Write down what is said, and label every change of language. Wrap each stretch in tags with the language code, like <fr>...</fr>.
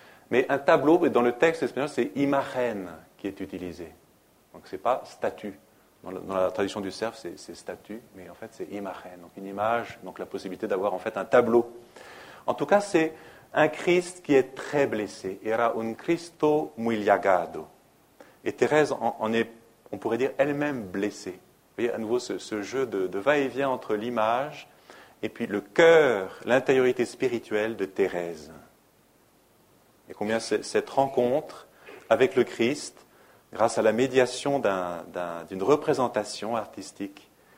<fr>Mais un tableau, dans le texte espagnol, c'est imagen qui est utilisé. Donc ce n'est pas statue. Dans la traduction du serf, c'est statue, mais en fait c'est imagen. Donc une image, donc la possibilité d'avoir en fait un tableau. En tout cas, c'est un Christ qui est très blessé.</fr> <es>Era un Cristo muy llagado.</es> <fr>Et Thérèse en est, on pourrait dire, elle-même blessée. Vous voyez, à nouveau, ce jeu de va-et-vient entre l'image et puis le cœur, l'intériorité spirituelle de Thérèse. Et combien cette rencontre avec le Christ, grâce à la médiation d'une représentation artistique,</fr>